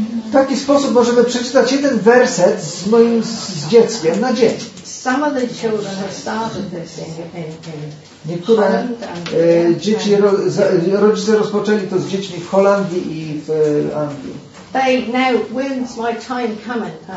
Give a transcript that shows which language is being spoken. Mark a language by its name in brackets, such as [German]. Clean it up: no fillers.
[Polish] W taki sposób możemy przeczytać jeden werset z moim z dzieckiem na dzień. [English] Some of the children have started this in [Polish] niektóre dzieci, rodzice rozpoczęli to z dziećmi w Holandii i w Anglii. [English] They now, when's my time coming?